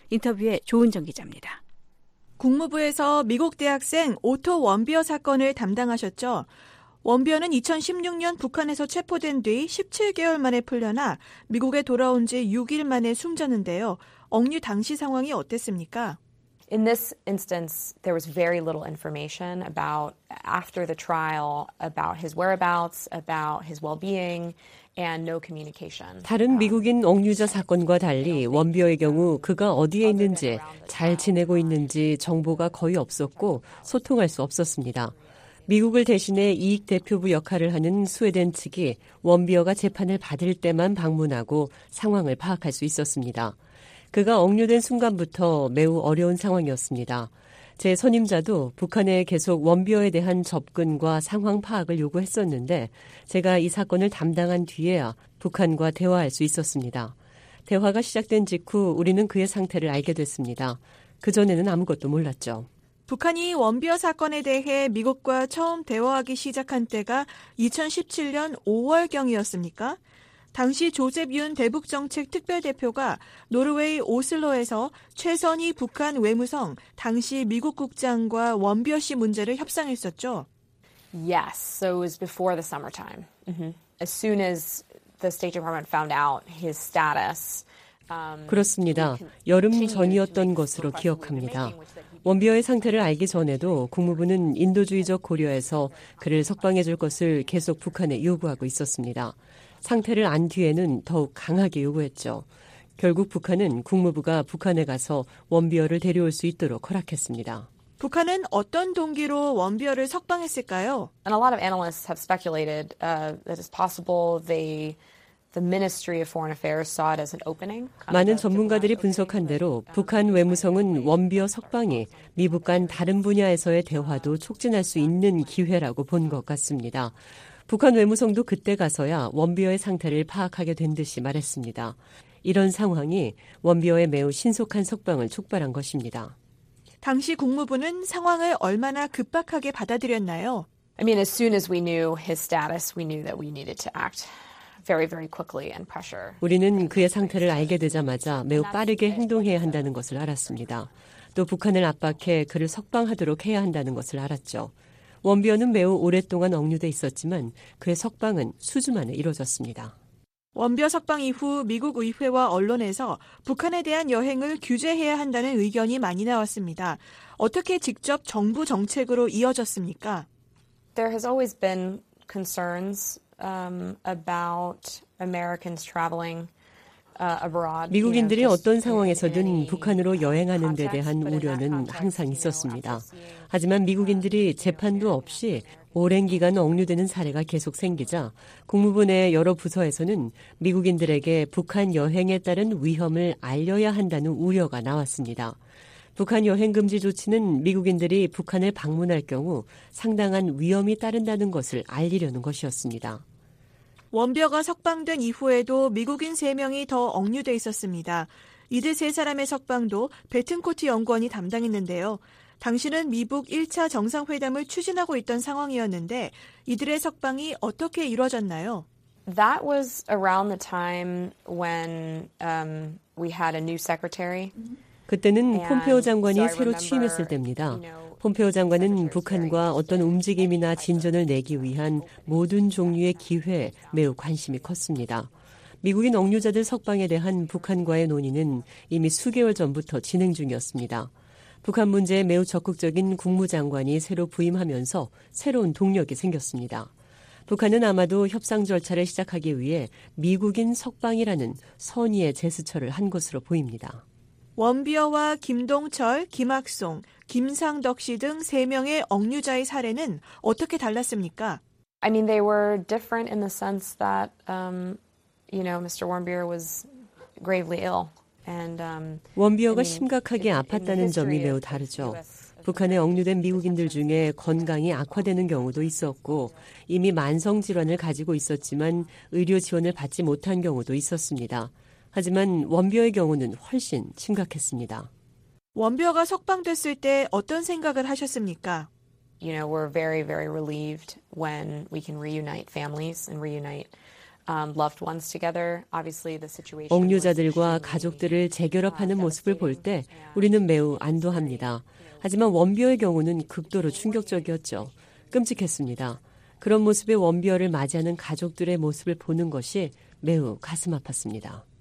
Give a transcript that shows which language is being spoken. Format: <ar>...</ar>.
<ko>인터뷰에 조은정 기자입니다. 국무부에서 미국 대학생 오토 원비어 사건을 담당하셨죠. 원비어는 2016년 북한에서 체포된 뒤 17개월 만에 풀려나 미국에 돌아온 지 6일 만에 숨졌는데요. 억류 당시 상황이 어땠습니까?</ko> <en>In this instance, there was very little information about after the trial, about his whereabouts, about his well-being. And no communication.</en> <ko>다른 미국인 억류자 사건과 달리 원비어의 경우 그가 어디에 있는지, 잘 지내고 있는지 정보가 거의 없었고 소통할 수 없었습니다. 미국을 대신해 이익 대표부 역할을 하는 스웨덴 측이 원비어가 재판을 받을 때만 방문하고 상황을 파악할 수 있었습니다. 그가 억류된 순간부터 매우 어려운 상황이었습니다. 제 선임자도 북한에 계속 원비어에 대한 접근과 상황 파악을 요구했었는데 제가 이 사건을 담당한 뒤에야 북한과 대화할 수 있었습니다. 대화가 시작된 직후 우리는 그의 상태를 알게 됐습니다. 그전에는 아무것도 몰랐죠. 북한이 원비어 사건에 대해 미국과 처음 대화하기 시작한 때가 2017년 5월경이었습니까? 당시 조셉 윤 대북정책특별대표가 노르웨이 오슬로에서 최선희 북한 외무성 당시 미국 국장과 원비어 씨 문제를 협상했었죠.</ko> <en>Yes, so it was before the summertime. As soon as the State Department found out his status.</en> <ko>그렇습니다. 여름 전이었던 것으로 기억합니다. 원비어의 상태를 알기 전에도 국무부는 인도주의적 고려에서 그를 석방해 줄 것을 계속 북한에 요구하고 있었습니다. 상태를 안 뒤에는 더욱 강하게 요구했죠. 결국 북한은 국무부가 북한에 가서 원비어를 데려올 수 있도록 허락했습니다. 북한은 어떤 동기로 원비어를 석방했을까요?</ko> <en>And a lot of analysts have speculated that it's possible the Ministry of Foreign Affairs saw it as an opening.</en> <ko>많은 전문가들이 분석한 대로 북한 외무성은 원비어 석방이 미북 간 다른 분야에서의 대화도 촉진할 수 있는 기회라고 본 것 같습니다. 북한 외무성도 그때 가서야 원비어의 상태를 파악하게 된 듯이 말했습니다. 이런 상황이 원비어의 매우 신속한 석방을 촉발한 것입니다. 당시 국무부는 상황을 얼마나 급박하게 받아들였나요?</ko> <en>I mean, as soon as we knew his status, we knew that we needed to act very, very quickly and pressure.</en> <ko>우리는 그의 상태를 알게 되자마자 매우 빠르게 행동해야 한다는 것을 알았습니다. 또 북한을 압박해 그를 석방하도록 해야 한다는 것을 알았죠. 원비어는 매우 오랫동안 억류돼 있었지만 그의 석방은 수주 만에 이루어졌습니다. 원비어 석방 이후 미국 의회와 언론에서 북한에 대한 여행을 규제해야 한다는 의견이 많이 나왔습니다. 어떻게 직접 정부 정책으로 이어졌습니까?</ko> <en>There has always been concerns about Americans traveling.</en> <ko>미국인들이 어떤 상황에서든 북한으로 여행하는 데 대한 우려는 항상 있었습니다. 하지만 미국인들이 재판도 없이 오랜 기간 억류되는 사례가 계속 생기자 국무부 내 여러 부서에서는 미국인들에게 북한 여행에 따른 위험을 알려야 한다는 우려가 나왔습니다. 북한 여행 금지 조치는 미국인들이 북한을 방문할 경우 상당한 위험이 따른다는 것을 알리려는 것이었습니다. 원비어가 석방된 이후에도 미국인 3명이 더 억류돼 있었습니다. 이들 3사람의 석방도 베튼코트 연구원이 담당했는데요. 당시는 미북 1차 정상회담을 추진하고 있던 상황이었는데 이들의 석방이 어떻게 이루어졌나요?</ko> <en>That was around the time when we had a new secretary.</en> <ko>그때는 폼페오 장관이 새로 취임했을 때입니다. 폼페오 장관은 북한과 어떤 움직임이나 진전을 내기 위한 모든 종류의 기회에 매우 관심이 컸습니다. 미국인 억류자들 석방에 대한 북한과의 논의는 이미 수개월 전부터 진행 중이었습니다. 북한 문제에 매우 적극적인 국무장관이 새로 부임하면서 새로운 동력이 생겼습니다. 북한은 아마도 협상 절차를 시작하기 위해 미국인 석방이라는 선의의 제스처를 한 것으로 보입니다. 원비어와 김동철, 김학송, 김상덕 씨 등 세 명의 억류자의 사례는 어떻게 달랐습니까?</ko> <en>I mean, they were different in the sense that, you know, Mr. Warmbier was gravely ill.</en> <ko>원비어가 심각하게 아팠다는 점이 매우 다르죠. 북한에 억류된 미국인들 중에 건강이 악화되는 경우도 있었고 이미 만성질환을 가지고 있었지만 의료 지원을 받지 못한 경우도 있었습니다. 하지만 원비어의 경우는 훨씬 심각했습니다. 원비어가 석방됐을 때 어떤 생각을 하셨습니까?</ko> <en>You know, we're very, very relieved when we can reunite families and reunite loved ones together. Obviously, the situation.</en> <ko>억류자들과 가족들을 재결합하는 모습을 볼 때 우리는 매우 안도합니다. 하지만 원비어의 경우는 극도로 충격적이었죠. 끔찍했습니다. 그런 모습의 원비어를 맞이하는 가족들의 모습을 보는 것이 매우 가슴 아팠습니다.</ko>